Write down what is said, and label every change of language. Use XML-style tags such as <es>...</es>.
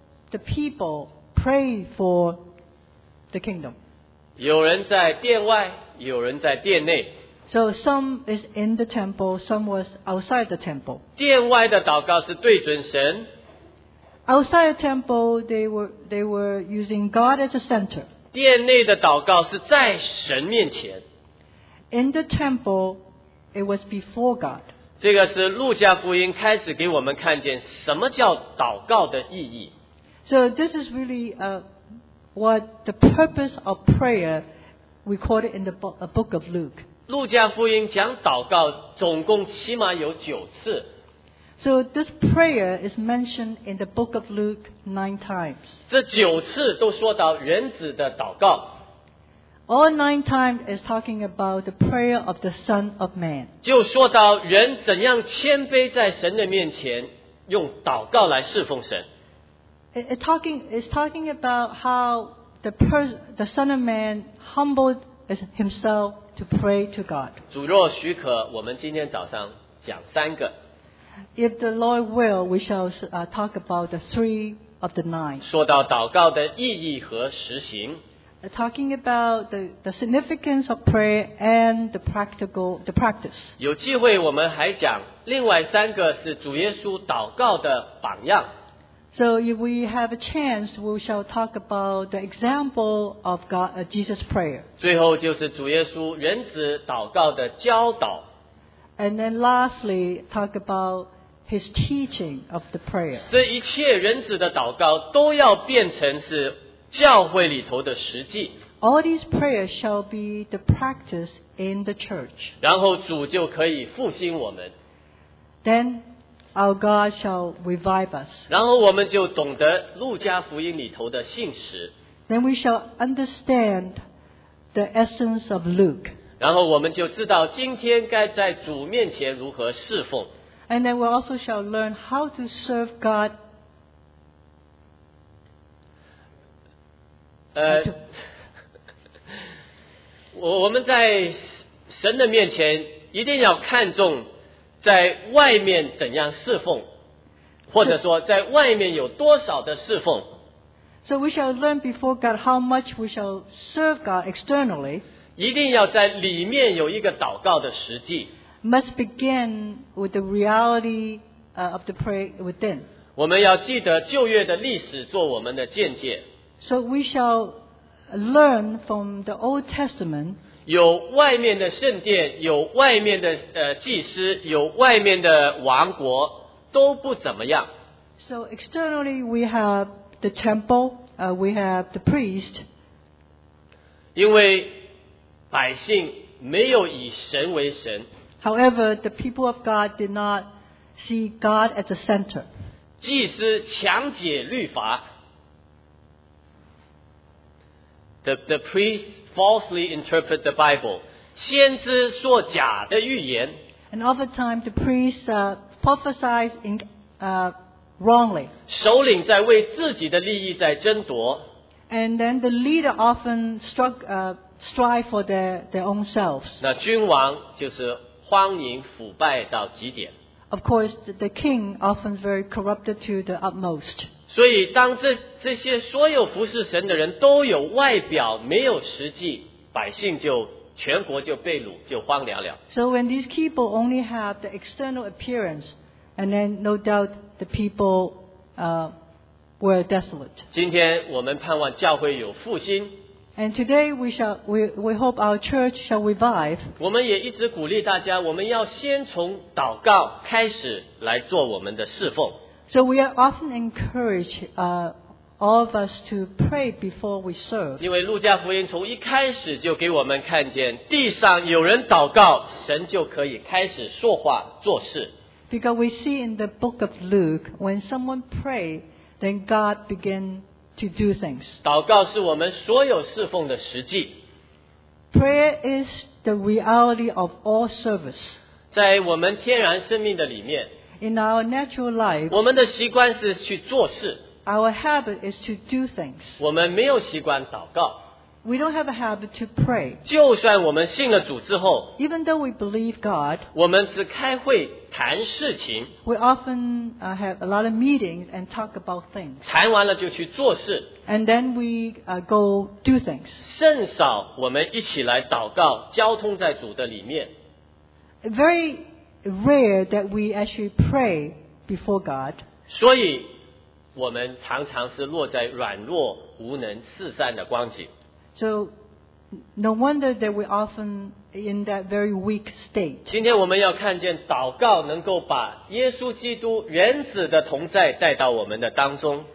<en>The people pray for the kingdom.</en> <zh>有人在殿外，有人在殿内。</zh> <en>So some is in the temple, some was outside the temple.</en> <zh>殿外的祷告是对准神。</zh> <en>Outside the temple, they were using God as a center.</en> <zh>殿内的祷告是在神面前。</zh> <en>In the temple, it was before God.</en> <zh>这个是路加福音开始给我们看见什么叫祷告的意义。</zh> <en>So this is really what the purpose of prayer recorded in the book of Luke.</en> <zh>路加福音讲祷告总共起码有九次。</zh> <en>So this prayer is mentioned in the book of Luke 9 times.</en> <zh>这九次都说到人子的祷告。</zh> <en>All 9 times is talking about the prayer of the Son of Man.</en> <zh>就说到人怎样谦卑在神的面前，用祷告来侍奉神。</zh> <en>It's talking about how the Son of Man humbled himself to pray to God.</en> <zh>主若许可，我们今天早上讲三个。</zh> <en>If the Lord will, we shall talk about the 3 of the 9.</en> <zh>说到祷告的意义和实行。</zh> <en>Talking about the significance of prayer and the practice.</en> <zh>有机会我们还讲另外三个是主耶稣祷告的榜样。</zh> <en>So if we have a chance, we shall talk about the example of God, Jesus' prayer.</en> <zh>最后就是主耶稣人子祷告的教导。</zh> <en>And then lastly, talk about his teaching of the prayer.</en> <zh>这一切人子的祷告都要变成是教会里头的实际。</zh> <en>All these prayers shall be the practice in the church.</en> <zh>然后主就可以复兴我们。</zh> <en>Then,Our God shall revive us.</en> <zh>然后我们就懂得路加福音里头的信实。</zh> <en>Then we shall understand the essence of Luke.</en> <zh>然后我们就知道今天该在主面前如何侍奉。</zh> <en>And then we also shall learn how to serve God.</en> <zh>我们在神的面前一定要看重在外面怎样侍奉，或者说在外面有多少的侍奉。</zh> <en>So we shall learn before God how much we shall serve God externally.</en> <zh>一定要在里面有一个祷告的实际。</zh> <en>Must begin with the reality of the prayer within.</en> <zh>我们要记得旧约的历史做我们的见解。</zh> <en>So we shall learn from the Old Testament.</en> <zh>有外面的圣殿，有外面的祭司，有外面的王国，都不怎么样。</zh> <en>So externally we have the temple, we have the priest.</en> <zh>因为百姓没有以神为神。</zh> <en>However, the people of God did not see God at the center.</en> <zh>祭司强解律法。</zh> <en>The priest falsely interpret the Bible.</en> <zh>先知说假的预言。</zh> <en>And oftentimes the priest prophesies in, wrongly.</en> <zh>首领在为自己的利益在争夺。</zh> <en>And then the leader often strive for their own selves.</en> <zh>那君王就是荒淫腐败到极点。</zh> <en>Of course, the king often very corrupted to the utmost.</en> <zh>所以当 这些所有服侍神的人都有外表没有实际，百姓就全国就被掳，就荒凉了。</zh> <en>So when these people only have the external appearance, and then no doubt the people were desolate.</en> <zh>今天我们盼望教会有复兴。</zh> <en>And today we hope our church shall revive.</en> <zh>我们也一直鼓励大家，我们要先从祷告开始来做我们的侍奉。</zh> <en>So we are often encouraged, all of us to pray before we serve.</en> <zh>因为路加福音从一开始就给我们看见，地上有人祷告，神就可以开始说话做事。</zh> <en>Because we see in the book of Luke, when someone pray, then God begin to do things.</en> <zh>祷告是我们所有侍奉的实际。</zh> <en>Prayer is the reality of all service.</en> <zh>在我们天然生命的里面，</zh> <en>In our natural life,</en> <zh>我们的习惯是去做事。</zh> <en>Our habit is to do things.</en> <zh>我们没有习惯祷告。</zh> <en>We don't have a habit to pray.</en> <zh>就算我们信了主之后，</zh> <en>Even though we believe God,</en> <zh>我们只开会谈事情，</zh> <en>we often have a lot of meetings and talk about things.</en> <zh>谈完了就去做事，</zh> <en>and then we go do things.</en> <zh>甚少我们一起来祷告，交通在主的里面。</zh> <en>Very rare that we actually pray before God.</en> <zh>所以我们常常是落在软弱无能四散的光景。</zh> <en>So no wonder that we often in that very weak state.</en> <zh>今天我们要看见祷告能够把耶稣基督原子的同在带到我们的当中。</zh>